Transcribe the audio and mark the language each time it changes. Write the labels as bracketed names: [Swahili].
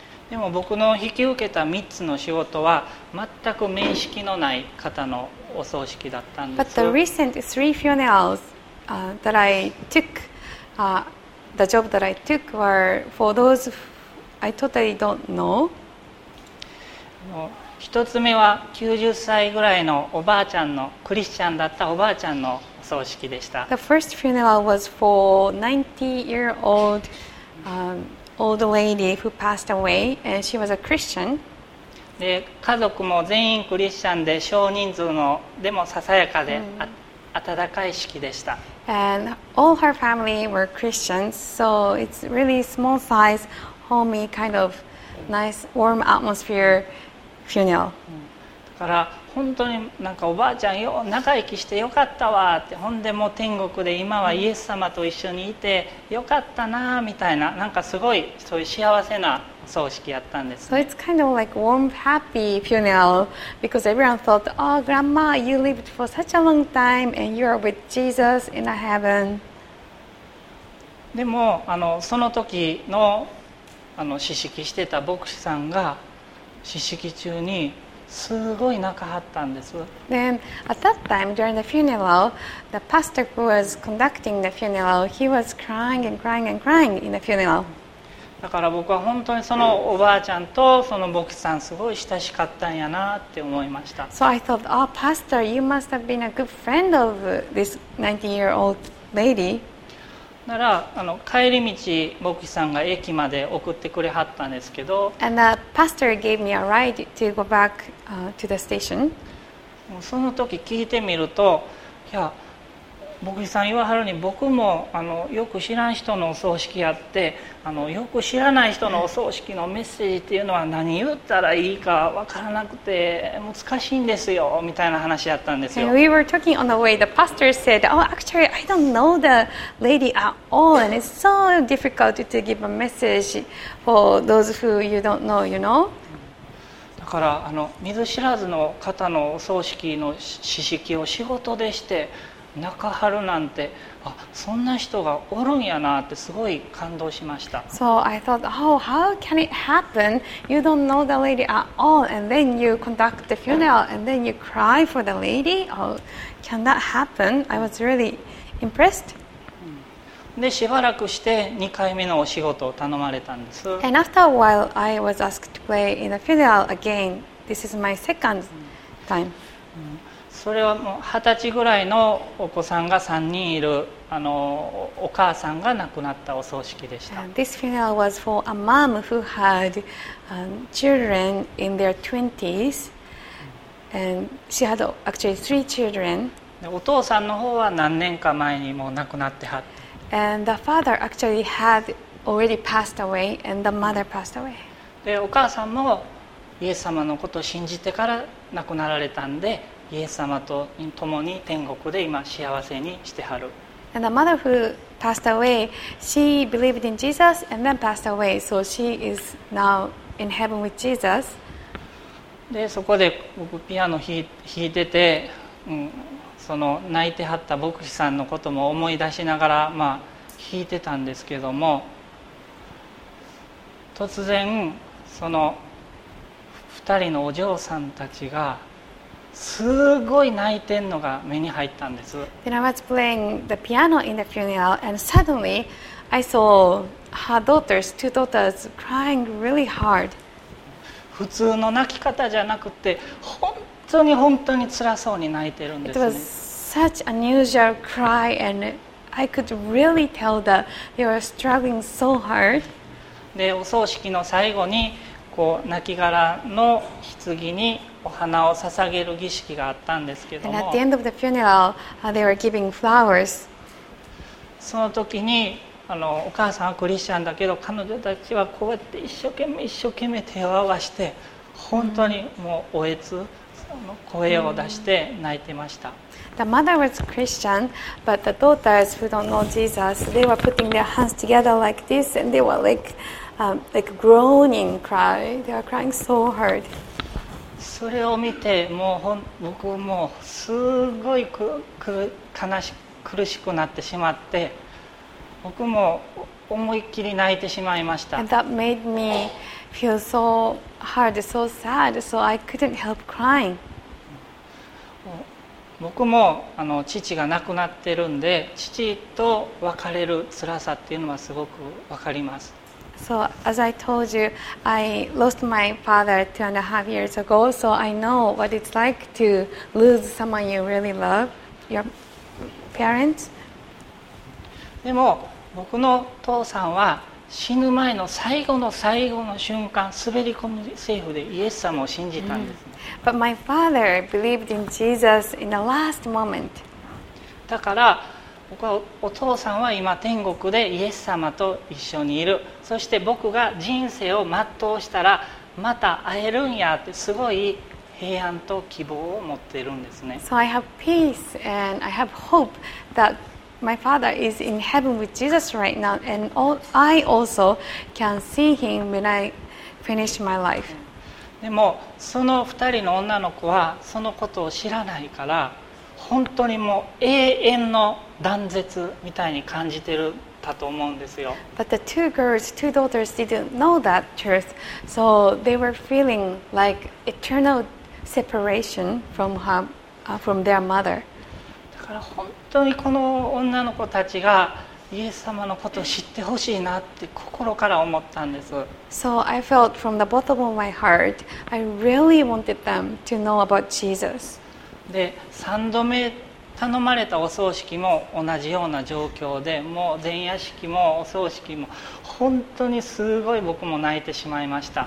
[Japanese] でも僕の引き受けた3つの仕事は全く面識のない方のお葬式だったんです。 [English] But the recent three funerals that I took, the job that I took were for those I totally don't know. [Japanese] 一つ目は90歳ぐらいのおばあちゃんの、クリスチャンだったおばあちゃんの葬式でした。 [English] The first funeral was for 90-year-old old lady who passed away, and she was a Christian. [Japanese] で、家族も全員クリスチャンで、少人数のでもささやかで、温かい式でした。 [English] And all her family were Christians, so it's really small size, homey kind of nice warm atmosphere. Funeral. [Japanese] だから本当になんかおばあちゃんよ仲良きしてよかったわって、ほんでもう天国で今はイエス様と一緒にいてよかったなみたいな、なんかすごいそういう幸せな葬式やったんです、ね。 [English] So it's kind of like warm happy funeral because everyone thought, oh grandma, you lived for such a long time and you're with Jesus in a heaven. [Japanese] でもその時の司式してた牧師さんが死式中にすごい泣かはったんです。 [English] Then at that time during the funeral, the pastor who was conducting the funeral, he was crying and crying and crying in the funeral. [Japanese] だから僕は本当にそのおばあちゃんとその牧師さんすごい親しかったんやなって思いました。 [English] So I thought, oh, pastor, you must have been a good friend of this 90-year-old lady. [Japanese] なら帰り道牧師さんが駅まで送ってくれはったんですけど、 [English] And the pastor gave me a ride to go back to the station. [Japanese] その時聞いてみると、いや牧師さん言わはるに、僕もよく知らん人のお葬式やって、よく知らない人のお葬式のメッセージっていうのは何言ったらいいか分からなくて難しいんですよみたいな話やったんですよ。 [English] We were talking on the way. The pastor said, oh, actually, I don't know the lady at all. And it's so difficult to give a message for those who you don't know, you know? [Japanese] だから見ず知らずの方のお葬式の知識を仕事でして中張るなんて、あ、そんな人がおるんやなってすごい感動しました。 [English] So I thought, oh, how can it happen? You don't know the lady at all, and then you conduct the funeral, and then you cry for the lady? Oh, can that happen? I was really impressed. [Japanese] で、しばらくして2回目のお仕事を頼まれたんです。 [English] And after a while, I was asked to play in a funeral again. This is my second time. [Japanese] それはもう20歳ぐらいのお子さんが3人いるお母さんが亡くなったお葬式でした。 [English] This funeral was for a mom who had children in their 20s. And she had actually three children. [Japanese] お父さんの方は何年か前にもう亡くなってはって。 [English] And the father actually had already passed away and the mother passed away. [Japanese] で、お母さんもイエス様のことを信じてから亡くなられたんで、イエス様と共に天国で今幸せにしてはる。 [English] And the mother who passed away, she believed in Jesus and then passed away. So she is now in heaven with Jesus. [Japanese] で、そこで僕ピアノ弾いてて、その泣いてはった牧師さんのことも思い出しながら、弾いてたんですけども、突然その二人のお嬢さんたちがすごい泣いてんのが目に入ったんです。 [English] Then I was playing the piano in the funeral, and suddenly I saw her daughters, two daughters, crying really hard. [Japanese] 普通の泣き方じゃなくて、本当に本当に辛そうに泣いてるんですね。 [English] It was such unusual cry, and I could really tell that they were struggling so hard. [Japanese] で、お葬式の最後に、こう泣き殻の棺にお花を捧げる儀式があったんですけども、 [English] And at the end of the funeral, they were giving flowers. [Japanese] その時にお母さんはクリスチャンだけど、彼女たちはこうやって一生懸命一生懸命手を合わせて、本当にもうおえつ、その声を出して泣いてました。 [English] The mother was Christian, but the daughters who don't know Jesus, they were putting their hands together like this, and they were like groaning cry. They are crying so hard. [Japanese] それを見て、もう僕もすごい苦しくなってしまって、僕も思いっきり泣いてしまいました。 [English] And that made me feel so hard, so sad, so I couldn't help crying. [Japanese] 僕も父が亡くなってるんで、父と別れる辛さっていうのはすごくわかります。 [English] So as I told you, I lost my father 2.5 years ago. So I know what it's like to lose someone you really love, your parents. [Japanese] でも僕の父さんは死ぬ前の最後の最後の瞬間、滑り込みセーフでイエス様を信じたんです。 [English] But my father believed in Jesus in the last moment. [Japanese] だから僕はお父さんは今天国でイエス様と一緒にいる、そして僕が人生を全うしたらまた会えるんやって、すごい平安と希望を持ってるんですね。 [English] So I have peace and I have hope that my father is in heaven with Jesus right now, and I also can see him when I finish my life. [Japanese] でもその2人の女の子はそのことを知らないから、本当にもう永遠の断絶みたいに感じてるたと思うんですよ。 [English] But the two girls, two daughters didn't know that truth, so they were feeling like eternal separation from her, from their mother. [Japanese] だから本当にこの女の子たちがイエス様のことを知ってほしいなって心から思ったんです。 [English] So I felt from the bottom of my heart, I really wanted them to know about Jesus. [Japanese] で、3度目頼まれたお葬式も同じような状況で、もう前夜式もお葬式も本当にすごい僕も泣いてしまいました。